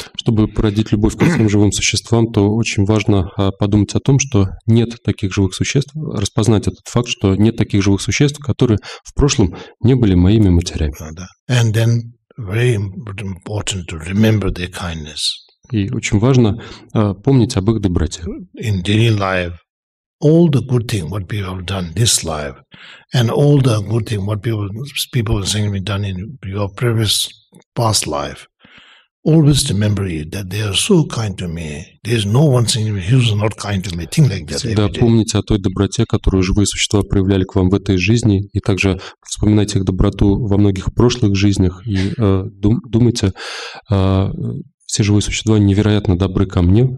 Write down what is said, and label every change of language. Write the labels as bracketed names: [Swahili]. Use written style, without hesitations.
[Russian] Чтобы породить любовь ко всем живым существам, то очень важно подумать о том, что нет таких живых существ, распознать этот факт, что нет таких живых существ, которые в прошлом не были моими матерями. [English] And then very important to remember their kindness. [Russian] И очень важно помнить об их доброте. [English] In daily life, all the good things what people have done this life, and all the good things what people have seen me done in your previous past life, always remember it, that they are so kind to me. There is no one saying he was not kind to me. Think like that. [Russian] Всегда помните о той доброте, которую живые существа проявляли к вам в этой жизни, и также вспоминайте их доброту во многих прошлых жизнях и думайте, все живые существа невероятно добры ко мне.